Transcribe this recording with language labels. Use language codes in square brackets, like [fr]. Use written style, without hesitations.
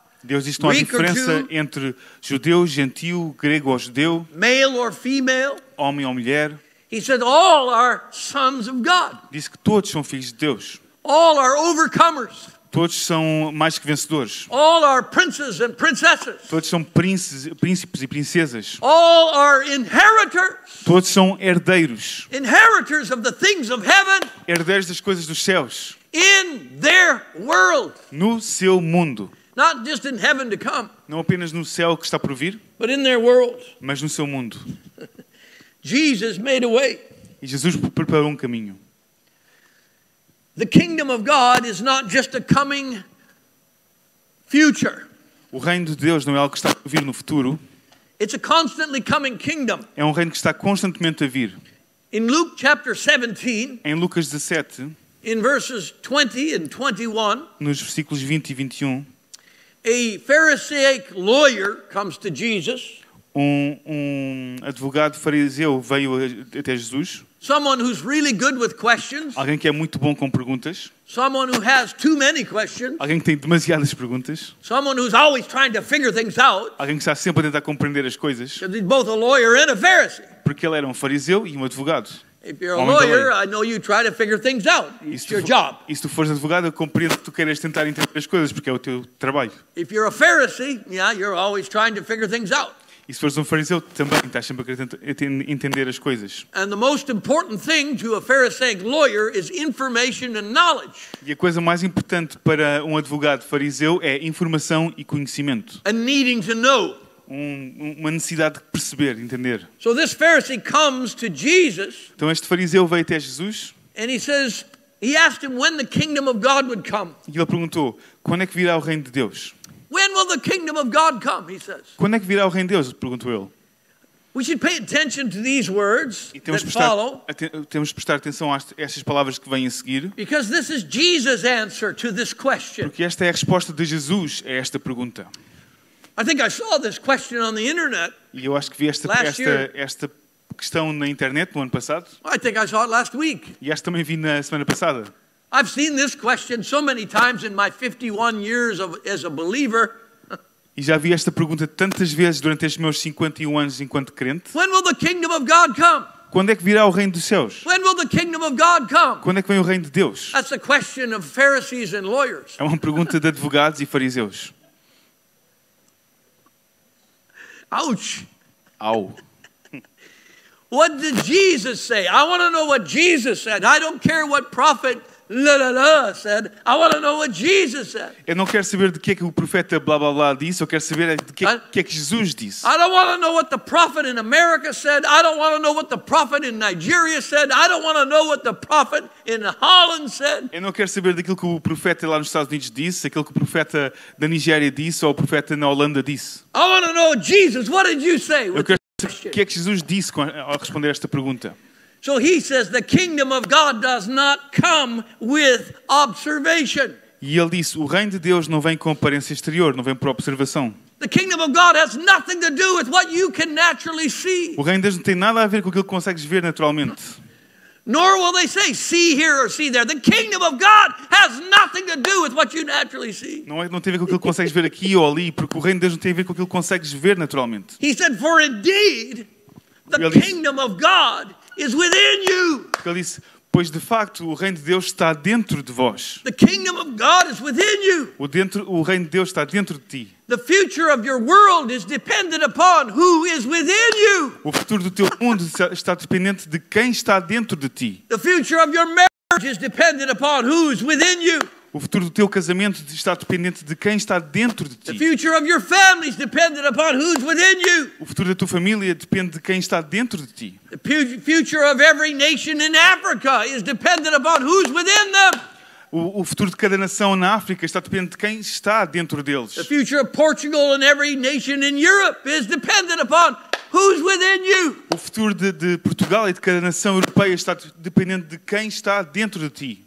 [pt] Deus diz que não há diferença entre judeu, gentio, grego ou judeu. [en] Male or female. [pt] Homem ou mulher. [en] He said all are sons of God. [pt] Diz que todos são filhos de Deus. [en] All are overcomers. [pt] Todos são mais que vencedores. [en] All are princes and princesses. [pt] Todos são príncipes e princesas. [en] All are inheritors. [pt] Todos são herdeiros. [en] Inheritors of the things of heaven. [pt] Herdeiros das coisas dos céus. [en] In their world. [pt] No seu mundo. [en] Not just in heaven to come. [pt] Não apenas no céu que está por vir. [en] But in their world. [pt] Mas no seu mundo. [en] Jesus made a way. [pt] E Jesus preparou um caminho. [en] The kingdom of God is not just a coming future. [pt] O reino de Deus não é algo que está a vir no futuro. [en] It's a constantly coming kingdom. [pt] É um reino que está constantemente a vir. [en] In Luke chapter 17, [pt] em Lucas 17, [en] in verses 20 and 21, [pt] nos versículos 20 e 21, [en] a Pharisaic lawyer comes to Jesus. [pt] Um advogado fariseu veio até Jesus. [en] Someone who's really good with questions. [pt] Alguém que é muito bom com perguntas. [en] Someone who has too many questions. [pt] Alguém que tem demasiadas perguntas. [en] Someone who's always trying to figure things out. [pt] Alguém que está sempre a tentar compreender as coisas. [en] Because he's both a lawyer and a Pharisee. [pt] Porque ele era um fariseu e um advogado. [en] If you're a lawyer, I know you try to figure things out. It's your job. [pt] E se tu fores advogado, eu compreendo que tu queres tentar entender as coisas, porque é o teu trabalho. [en] If you're a Pharisee, yeah, you're always trying to figure things out. [pt] E se fores um fariseu, também estás sempre a querer entender as coisas. [en] And the most important thing to a Pharisaic lawyer is information and knowledge. [pt] E a coisa mais importante para um advogado fariseu é informação e conhecimento. [en] And needing to know. [pt] Uma necessidade de perceber, entender. [en] So this Pharisee comes to Jesus. [pt] Então este fariseu veio até Jesus. [en] And he says, he asked him when the kingdom of God would come. [pt] E ele perguntou, quando é que virá o reino de Deus? [en] When will the kingdom of God come? He says. [pt] Quando é que virá o reino de Deus? Perguntou ele. [en] We should pay attention to these words that follow. [pt] Temos de prestar atenção a estas palavras que vêm a seguir. [en] Because this is Jesus' answer to this question. [pt] Porque esta é a resposta de Jesus a esta pergunta. [en] I think I saw this question on the internet. [pt] E eu acho que vi esta questão na internet no ano passado. [en] I think I saw it last week. [pt] E esta também vi na semana passada. [en] I've seen this question so many times in my 51 years as a believer. [pt] E já vi esta pergunta tantas vezes durante estes meus 51 anos enquanto crente. [en] When will the kingdom of God come? [pt] Quando é que virá o reino dos céus? [en] When will the kingdom of God come? [pt] Quando é que vem o reino de Deus? [en] That's a question of Pharisees and lawyers. [pt] É uma pergunta de advogados e fariseus. [en] Ouch. [pt] Au. [en] What did Jesus say? I want to know what Jesus said. I don't care what prophet said, I want to know what Jesus said. [pt] Eu não quero saber de que é que o profeta blá blá blá disse, eu quero saber de que é que Jesus disse. [en] I don't want to know what the prophet in America said. I don't want to know what the prophet in Nigeria said. I don't want to know what the prophet in Holland said. [pt] Eu não quero saber daquilo que o profeta lá nos Estados Unidos disse, aquilo que o profeta da Nigéria disse ou o profeta na Holanda disse. [en] I want to know Jesus, what did you say? [pt] Eu quero saber o que é que Jesus disse ao responder esta pergunta. [en] So he says the kingdom of God does not come with observation. [pt] E ele disse, o reino de Deus não vem com aparência exterior, não vem por observação. [en] The kingdom of God has nothing to do with what you can naturally see. [pt] O reino de Deus não tem nada a ver com aquilo que consegues ver naturalmente. [en] Nor will they say see here or see there. The kingdom of God has nothing to do with what you naturally see. [pt] Não tem a ver com aquilo que consegues ver aqui ou ali, porque o reino de Deus não tem a ver com aquilo que consegues ver naturalmente. [en] He said for indeed the kingdom of God is within you. [pt] Ele disse, pois de facto o reino de Deus está dentro de vós. [en] The kingdom of God is within you. [pt] O reino de Deus está dentro de ti. [en] The future of your world is dependent upon who is within you. [pt] O futuro do teu mundo está dependente de quem está dentro de ti. [en] The future of your marriage is dependent upon who is within you. [pt] O futuro do teu casamento está dependente de quem está dentro de ti. [en] The future of your family is dependent upon who's within you. [pt] O futuro da tua família depende de quem está dentro de ti. [en] The future of every nation in Africa is dependent upon who's within them. [pt] O futuro de cada nação na África está dependente de quem está dentro deles. [en] The future of Portugal and every nation in Europe is dependent upon who's within you. [pt] O futuro de Portugal e de cada nação europeia está dependente de quem está dentro de ti.